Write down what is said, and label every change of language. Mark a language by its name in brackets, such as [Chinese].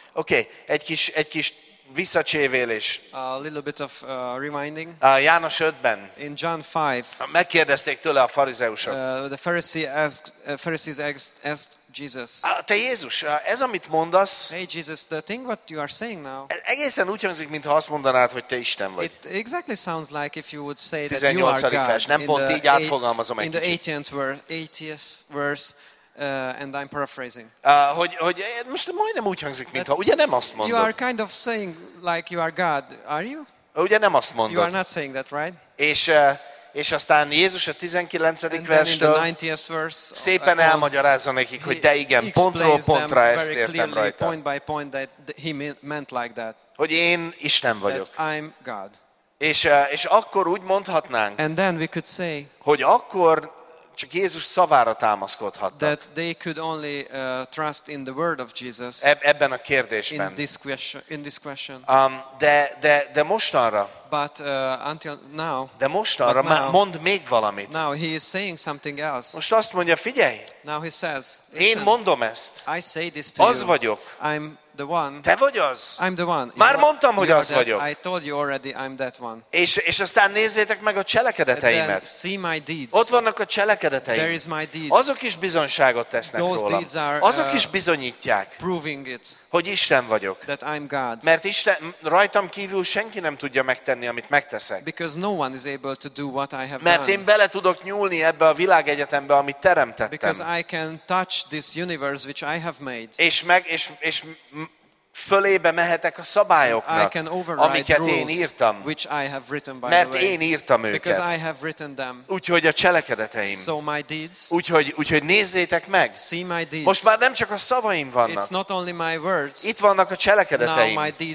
[Hungarian] Okay, egy kis visszacsévélés. [English] A little bit of reminding. [Hungarian] János 5-ben. [English] In John 5. [Hungarian] Megkérdezték tőle a farizeusok. [English] The Pharisees asked Jesus. [Hungarian] Te Jézus, ez amit mondasz? [English] Hey Jesus, the thing what you are saying now. [Hungarian] Egészen úgy hangzik, mintha azt mondanád, hogy te Isten vagy. [English] It exactly sounds like if you would say that you are God. [Hungarian] Nem pont így átfogalmazom egy kicsit. [English] In the 18th verse. And I'm paraphrasing. [Hungarian] Hogy most majdnem úgy hangzik, mintha, ugye nem azt mondod? [English] You are kind of saying like you are God, are you? [Hungarian] Ugye nem azt mondod? [English] You are not saying that, right? [Hungarian] És aztán Jézus a 19. verstől szépen elmagyarázza nekik, hogy de igen, pontról pontra ezt értem rajta. [English] Point by point that he meant like that. [Hungarian] Hogy én Isten vagyok. [English] That I'm God. [Hungarian] És akkor úgy mondhatnánk, [English] and then we could say, [Hungarian] hogy akkor csak Jézus szavára támaszkodhattak. [English] That they could only trust in the word of Jesus. [Hungarian] Ebben a kérdésben. [English] In this question. [Hungarian] De mostanra. [English] But until now. [Hungarian] De mostanra now, mondd még valamit. [English] Now he is saying something else. [Hungarian] Most azt mondja, figyelj. [English] Now he says. [Hungarian] Én mondom ezt. [English] I say this to [Hungarian] az [English] you. [Hungarian] Az vagyok. [English] I'm the one. [Hungarian] Te vagy az. [English] I'm the one. [Hungarian] Már mondtam, hogy az [English] that, [Hungarian] vagyok. [English] I told you already I'm that one. [Hungarian] És aztán nézzétek meg a cselekedeteimet. [English] See my deeds. [Hungarian] Ott vannak a cselekedeteim. [English] There is my deeds. [Hungarian] Azok is bizonyságot tesznek [English] those [Hungarian] rólam. [English] Deeds are, [Hungarian] azok is bizonyítják, [English] proving it, [Hungarian] hogy Isten vagyok. [English] That I'm God. [Hungarian] Mert Isten, rajtam kívül senki nem tudja megtenni, amit megteszek. [English] Because no one is able to do what I have [Hungarian] mert [English] done. [Hungarian] Én bele tudok nyúlni ebbe a világegyetembe, amit teremtettem. [English] Because I can touch this universe which I have made. [Hungarian] És fölébe mehetek a szabályoknak, amiket én írtam, mert én írtam őket. Úgyhogy a cselekedeteim. Úgyhogy nézzétek meg. Most már nem csak a szavaim vannak. Itt vannak a cselekedeteim.